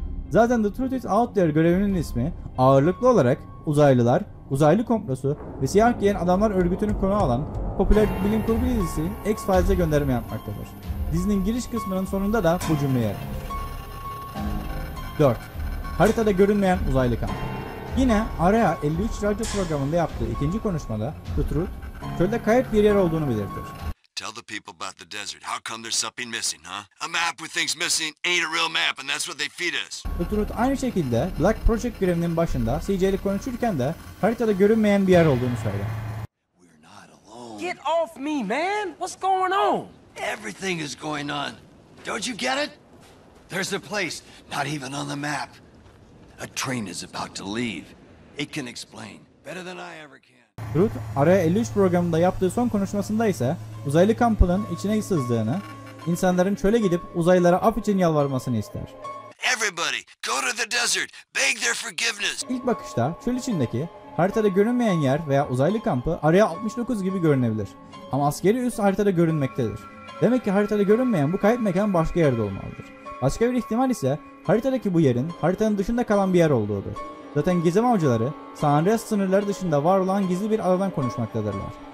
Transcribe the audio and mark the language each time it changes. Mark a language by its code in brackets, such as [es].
[tr] Zaten The Truth is Out There görevinin ismi ağırlıklı olarak uzaylılar, uzaylı komplosu ve siyah giyen adamlar örgütünü konu alan popüler bilim kurgu dizisi X-Files'e gönderme yapmaktadır. Dizinin giriş kısmının sonunda da bu cümle yer alır. 4. Haritada görünmeyen uzaylı kamp. Yine Area 53 radyo programında yaptığı ikinci konuşmada The Truth, çölde kayıp bir yer olduğunu belirtir. [en] Tell the people about the desert. How come there's something missing, huh? A map with things missing ain't a real map and that's what they feed us. [tr] The Truth aynı şekilde Black Project görevinin başında CJ'li konuşurken de haritada görünmeyen bir yer olduğunu söyler. [en] We're not alone. Get off me, man! What's going on? Everything is going on. Don't you get it? There's a place, not even on the map. A train is about to leave. It can explain better than I ever can. [tr] Truth, Araya 53 programında yaptığı son konuşmasında ise uzaylı kampının içine sızdığını, insanların çöle gidip uzaylılara af için yalvarmasını ister. [en] Everybody, go to the desert, beg their forgiveness. [tr] İlk bakışta çöl içindeki haritada görünmeyen yer veya uzaylı kampı Araya 69 gibi görünebilir. Ama askeri üs haritada görünmektedir. Demek ki haritada görünmeyen bu kayıp mekan başka yerde olmalıdır. Başka bir ihtimal ise haritadaki bu yerin haritanın dışında kalan bir yer olduğudur. Zaten gizem avcıları San Andreas sınırları dışında var olan gizli bir adadan konuşmaktadırlar.